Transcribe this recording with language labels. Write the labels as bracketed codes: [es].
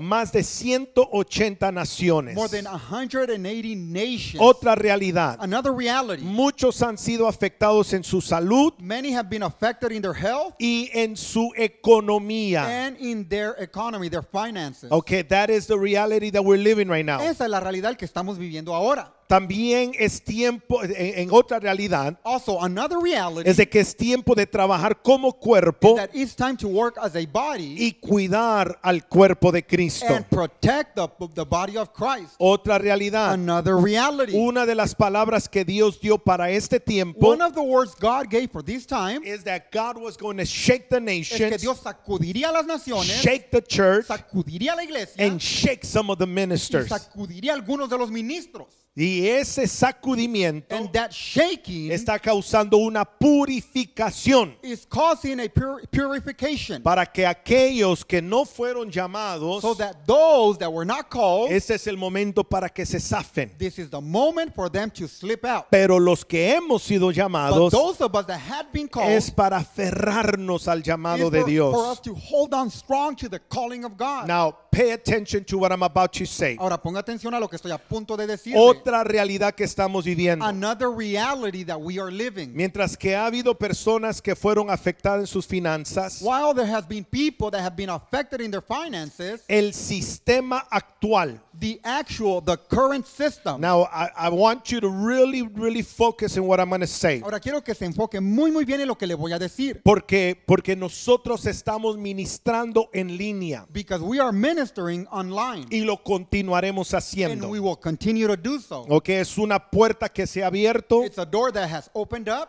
[es] Más de 180 naciones. [en] More than 180 nations. [es] Otra realidad. [en] Another reality. [es] Muchos han sido afectados en su salud. [en] Many have been affected in their health. [es] Y en su economía. [en] And in their economy, their finances. Okay, that is the reality that we're living right now. [es] Esa es la realidad que estamos viviendo ahora. También es tiempo, en otra realidad, [en] also, another reality, [es] es de que es tiempo de trabajar como cuerpo, [en] that it's time to work as a body, [es] y cuidar al cuerpo de Cristo. [en] And protect the body of Christ. [es] Otra realidad, [en] another reality, [es] una de las palabras que Dios dio para este tiempo, [en] one of the words God gave for this time, is that God was going to shake the nations, [es] es que Dios sacudiría las naciones, [en] shake the church, [es] sacudiría la iglesia, [en] and shake some of the ministers. [es] Y sacudiría algunos de los ministros. Y ese sacudimiento, [en] and that shaking, [es] está causando una purificación, [en] is causing a purification, [es] para que aquellos que no fueron llamados, [en] so that those that were not called, [es] ese es el momento para que se zafen. [en] This is the moment for them to slip out. [es] Pero los que hemos sido llamados, [en] but those of us that had been called, [es] es para aferrarnos al llamado de Dios. [en] For us to hold on strong to the calling of God. Now, pay attention to what I'm about to say. [es] Ahora ponga atención a lo que estoy a punto de decir. Otra realidad que estamos viviendo. [en] Another reality that we are living. [es] Mientras que ha habido personas que fueron afectadas en sus finanzas, [en] while there has been people that have been affected in their finances, [es] el sistema actual, [en] the current system. Now I want you to really, really focus on what I'm going to say. [es] Ahora quiero que se enfoque muy, muy bien en lo que le voy a decir. Porque nosotros estamos ministrando en línea. [en] Because we are ministering online. [es] Y lo continuaremos haciendo. [en] And we will continue to do so. [es] Okay, es una puerta que se ha abierto. [en] It's a door that has opened up.